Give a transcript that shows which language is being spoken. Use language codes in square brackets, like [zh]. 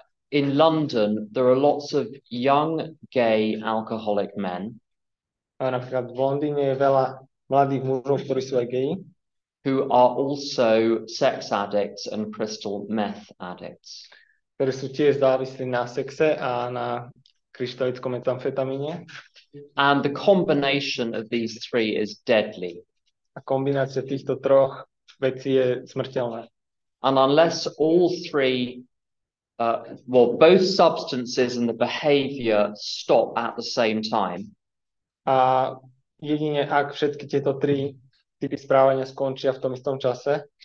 [en] In London there are lots of young gay alcoholic men. [sk] Napríklad v Londýne je veľa mladých mužov, ktorí sú aj gay, [en] who are also sex addicts and crystal meth addicts. [sk] Ktorí sú tiež závislí na sexe a na kryštalickom metamfetamíne. [en] And the combination of these three is deadly. [sk] A kombinácia týchto troch vecí je smrteľná. [en] And unless all three, both substances and the behavior stop at the same time. [sk] A jedine ak všetky tieto tri typy správania skončia v tom istom čase.